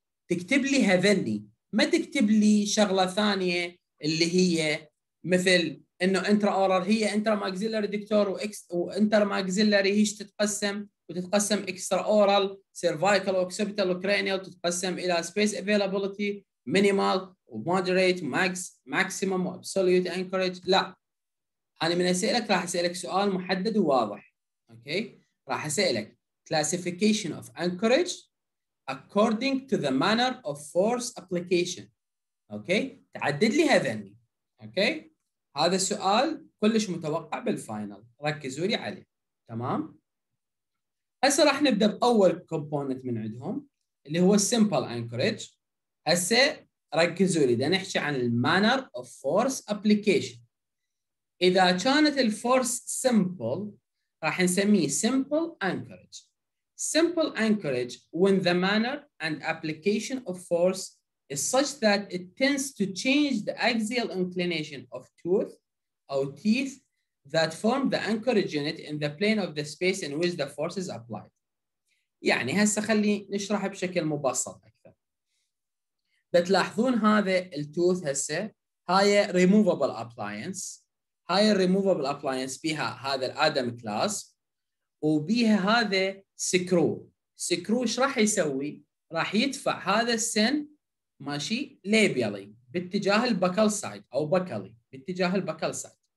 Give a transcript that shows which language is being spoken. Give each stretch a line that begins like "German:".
Arabic: تكتب لي هذني، ما تكتب لي شغله ثانيه اللي هي مثل انه انترا اورال هي انترا ماكسيلري دكتور، واكس وانتر ماكسيلري هيش تتقسم، وتتقسم اكسترا اورال، سيرفايكال اوكسيبيتال كرانيال تتقسم الى سبيس افيلابيلتي مينيمال وموديريت ماكس ماكسيمم وابسوليوت انكورج. لا، انا من اسالك راح اسالك سؤال محدد وواضح. اوكي، راح اسالك
English: classification of anchorage according to the manner of force application.
Arabic: اوكي، تعدد لي هذني. اوكي، هذا السؤال كلش متوقع بالفاينل، ركزوا لي عليه. تمام، هسه راح نبدا باول كومبوننت من عندهم اللي هو simple anchorage. هسه ركزوا لي، بدنا نحكي عن المانر اوف فورس ابلكيشن. اذا كانت الفورس سمبل راح نسميه سمبل انكورج.
English: Simple anchorage when the manner and application of force is such that it tends to change the axial inclination of tooth or teeth that form the anchorage unit in the plane of the space in which the force is applied.
Arabic: يعني هسه خلي نشرح بشكل مبسط. بتلاحظون هذا التوث هسه، هاي ريموفابل ابلاينس، هاي الريموفابل ابلاينس بيها هذا الادم كلاس وبيها هذا سكرو. سكرو ايش راح يسوي؟ راح يدفع هذا السن ماشي ليبيالي باتجاه البكال سايد او بكالي باتجاه البكال سايد.